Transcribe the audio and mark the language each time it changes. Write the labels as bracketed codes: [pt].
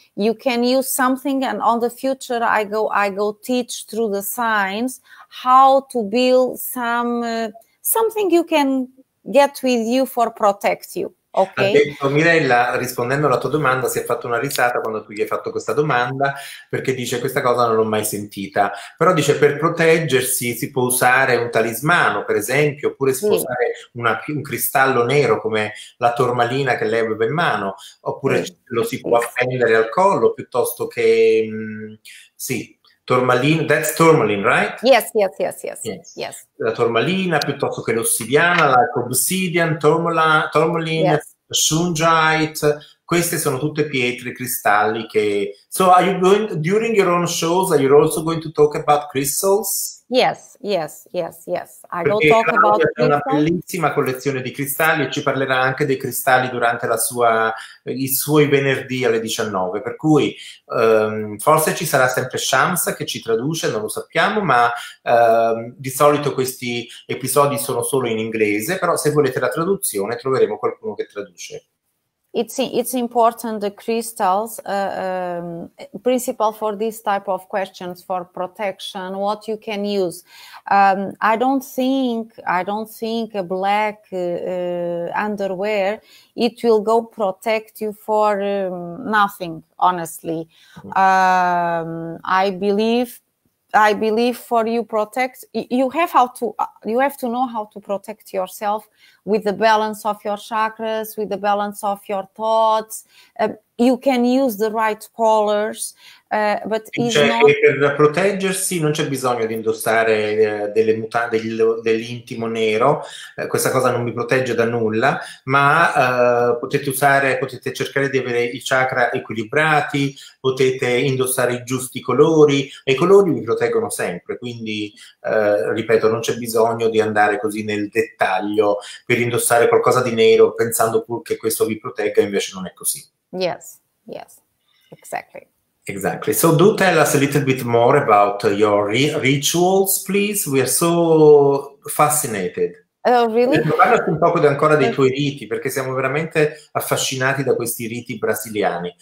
[en] You can use something, and on the future I go teach through the signs how to build something you can get with you for protect you. Okay. [it] Ha detto Mirella, rispondendo alla tua domanda, si è fatto una risata quando tu gli hai fatto questa domanda, perché dice: questa cosa non l'ho mai sentita. Però dice: per proteggersi si può usare un talismano, per esempio, oppure si può usare un cristallo nero come la tormalina che lei aveva in mano, oppure lo si può appendere al collo piuttosto che [en] tourmaline, that's tourmaline, right? Yes. [it] La tourmalina piuttosto che l'ossidiana, la [en] like obsidian, tourmaline, yes. [it] Shungite, queste sono tutte pietre, cristalli che... [en] So are you going, during your own shows, are you also going to talk about crystals? Yes. I go talk about crystals. [it] Ha una bellissima collezione di cristalli e ci parlerà anche dei cristalli durante i suoi venerdì alle 19. Per cui forse ci sarà sempre Shams che ci traduce, non lo sappiamo, ma di solito questi episodi sono solo in inglese, però se volete la traduzione troveremo qualcuno che traduce. [en] It's important, the crystals, principle for this type of questions, for protection, what you can use. I don't think a black underwear, it will go protect you for nothing, honestly. I believe for you protect, you have to know how to protect yourself with the balance of your chakras, with the balance of your thoughts. you can use the right colors, but [it] cioè, [en] it's not... [it] per proteggersi non c'è bisogno di indossare delle mutande, dell'intimo nero, questa cosa non mi protegge da nulla, ma potete cercare di avere i chakra equilibrati, potete indossare i giusti colori, e i colori vi proteggono sempre, quindi ripeto, non c'è bisogno di andare così nel dettaglio per indossare qualcosa di nero pensando pur che questo vi protegga, invece non è così. [en] Yes, yes, exactly. Exactly. So do tell us a little bit more about your rituals, please. We are so fascinated. Oh, really? [it] Parla un po' ancora dei tuoi riti, perché siamo veramente affascinati da questi riti brasiliani.